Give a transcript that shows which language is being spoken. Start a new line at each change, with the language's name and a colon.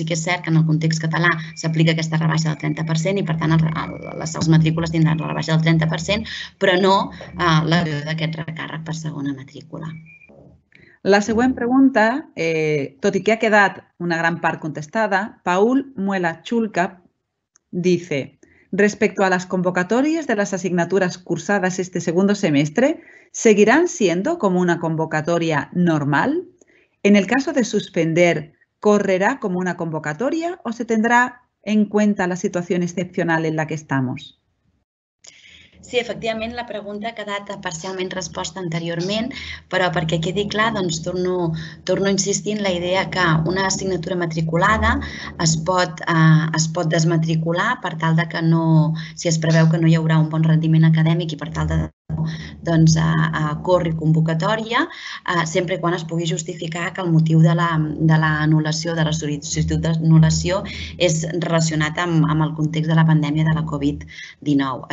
Catalan: Sí que és cert que en el context català s'aplica aquesta rebaixa del 30% i, per tant, les matrícules tindran la rebaixa del 30%, però no la d'aquest recàrrec per segona matrícula. La següent pregunta, tot i que ha quedat una gran part contestada,
Spanish: Paul Muela Chulca dice: respecto a las convocatorias de las asignaturas cursadas este segundo semestre, ¿seguirán siendo como una convocatoria normal? En el caso de suspender, ¿correrá como una convocatoria o se tendrá en cuenta la situación excepcional en la que estamos?
Catalan: Sí, efectivament, la pregunta ha quedat parcialment resposta anteriorment, però perquè quedi clar, doncs torno a insistir en la idea que una assignatura matriculada es pot desmatricular per tal de que no, si es preveu que no hi haurà un bon rendiment acadèmic i per tal de doncs corri convocatòria, sempre quan es pugui justificar que el motiu de la sol·licitud d'anul·lació és relacionat amb el context de la pandèmia de la Covid-19.